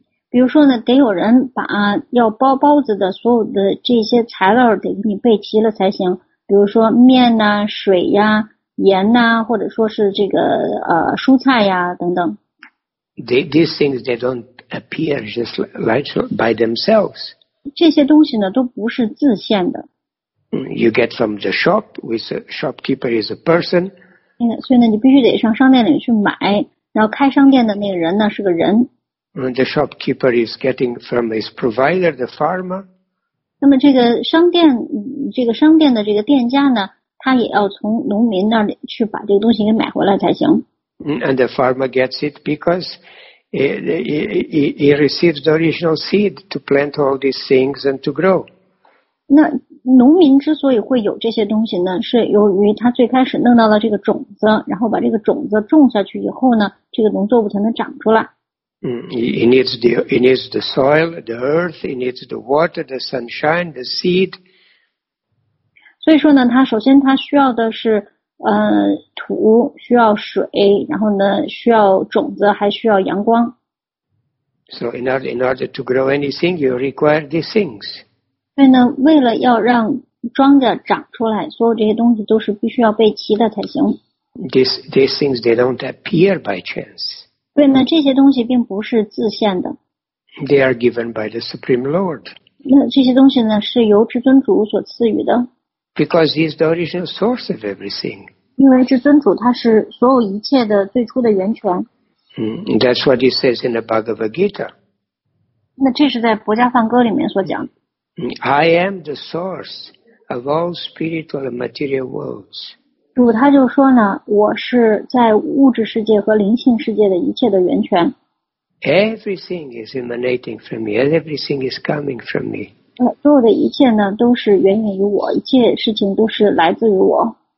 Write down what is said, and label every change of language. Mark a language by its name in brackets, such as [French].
[Chinese] 比如说呢，得有人把要包包子的所有的这些材料得给你备齐了才行。比如说面呐、水呀。盐呐、或者说是这个蔬菜呀等等。 [English] These things they don't appear just like by themselves. [Chinese] 这些东西呢都不是自现的。 [English] You get from the shop, with a shopkeeper is a person. [Chinese] 所以呢你必须得上商店里去买，然后开商店的那个人呢是个人。 [English] The shopkeeper is getting from his provider, the farmer. [Chinese] 那么这个商店的这个店家呢他也要从农民那里去把这个东西给买回来才行。 [English] And the farmer gets it because he receives the original seed to plant all these things and to grow. [Chinese] 那农民之所以会有这些东西呢，是由于他最开始弄到了这个种子，然后把这个种子种下去以后呢，这个农作物才能长出来。 [English] He needs the soil, the earth, he needs the water, the sunshine, the seed. [Chinese] 所以说呢，他首先他需要的是土，需要水，然后呢需要种子，还需要阳光。 [English] So in order to grow anything, you require these things. [Chinese] 所以呢，为了要让庄稼长出来，所有这些东西都是必须要备齐的才行。 [English] These things they don't appear by chance. [Chinese] 所以呢，这些东西并不是自现的。 [English] They are given by the Supreme Lord. [Chinese] 那这些东西呢，是由至尊主所赐予的。 [English] Because he is the original source of everything. [Chinese] 因为至尊主他是所有一切的最初的源泉。 [English] That's what he says in the Bhagavad Gita. [Chinese] 那这是在《薄伽梵歌》里面所讲。 [English] I am the source of all spiritual and material worlds. [Chinese] 主他就说呢，我是在物质世界和灵性世界的一切的源泉。 [English] Everything is emanating from me. Everything is coming from me. [Chinese] 所有的一切呢都是源于我，一切事情都是来自于我。